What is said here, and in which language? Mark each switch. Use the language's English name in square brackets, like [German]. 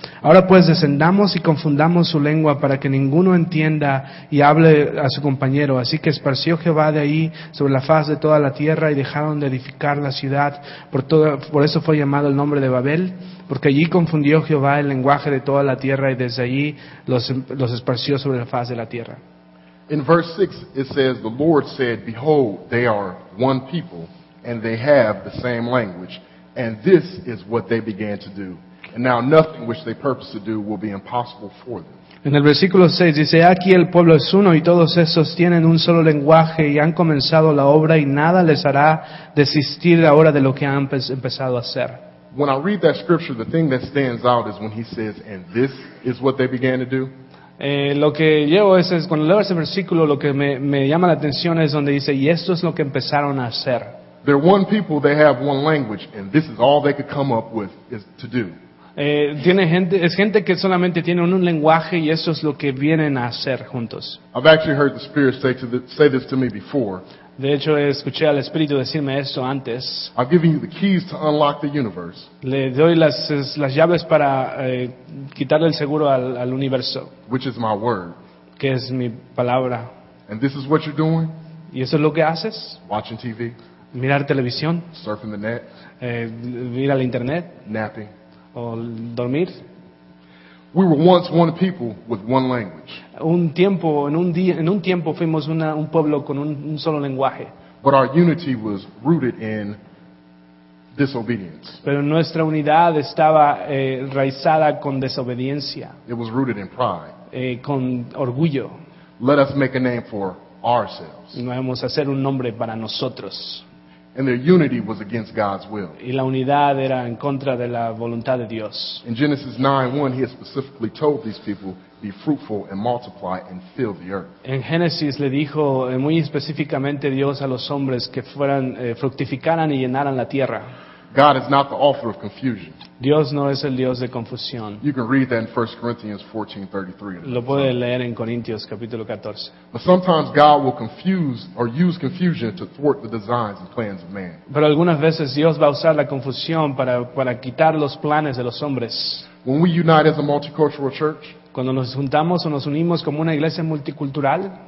[Spanish] Ahora pues descendamos y confundamos su lengua para que ninguno entienda y hable a su compañero. Así que esparció Jehová de ahí sobre la faz de toda la tierra y dejaron de edificar la ciudad. Por eso fue llamado el nombre de Babel, porque allí confundió Jehová el lenguaje de toda la tierra y desde allí los esparció sobre la faz de la tierra. [English] In verse 6, it says, the Lord said, behold, they are one people, and they have the same language. And this is what they began to do. And now nothing which they purpose to do will be impossible for them. [Spanish] En el versículo 6 dice, aquí el pueblo es uno y todos esos tienen un solo lenguaje y han comenzado la obra y nada les hará desistir ahora de lo que han empezado a hacer. [English] When I read that scripture, the thing that stands out is when he says, and this is what they began to do. [Spanish] Lo que llevo es cuando leo ese versículo, lo que me llama la atención es donde dice, y esto es lo que empezaron a hacer. [English] They're one people, they have one language, and this is all they could come up with is to do. [Spanish] Es gente que solamente tiene un lenguaje y eso es lo que vienen a hacer juntos. [English] I've actually heard the Spirit say this to me before. [Spanish] De hecho, escuché al Espíritu decirme esto antes. [English] I've given you the keys to unlock the universe. [Spanish] Le doy las llaves para quitarle el seguro al universo. [English] Which is my word. [Spanish] Que es mi palabra. [English] And this is what you're doing? [Spanish] Y eso es lo que haces. [English] Watching TV. [Spanish] Mirar televisión. [English] Surfing the net. [Spanish] Ir al internet. [English] Napping. [Spanish] O dormir. [English] We were once one people with one language. [Spanish] En un tiempo fuimos un pueblo con un solo lenguaje. [English] But our unity was rooted in disobedience. [Spanish] Pero nuestra unidad estaba enraizada con desobediencia. [English] It was rooted in pride. [Spanish] Con orgullo. [English] Let us make a name for ourselves. [Spanish] Y vamos a hacer un nombre para nosotros. [English] And their unity was against God's will. [Spanish] Y la unidad era en contra de la voluntad de Dios. [English] In Genesis 9:1, he has specifically told these people, be fruitful and multiply and fill the earth. [Spanish] En Génesis le dijo muy específicamente Dios a los hombres que fueran fructificaran y llenaran la tierra. [English] God is not the author of confusion. [Spanish] Dios no es el Dios de confusión. [English] You can read that in 1 Corinthians 14:33. [Spanish] Lo puede leer en Corintios capítulo 14. [English] But sometimes God will confuse or use confusion to thwart the designs and plans of man. [Spanish] Pero algunas veces Dios va a usar la confusión para quitar los planes de los hombres. [English] When we unite as a multicultural church, [Spanish] cuando nos juntamos o nos unimos como una iglesia multicultural,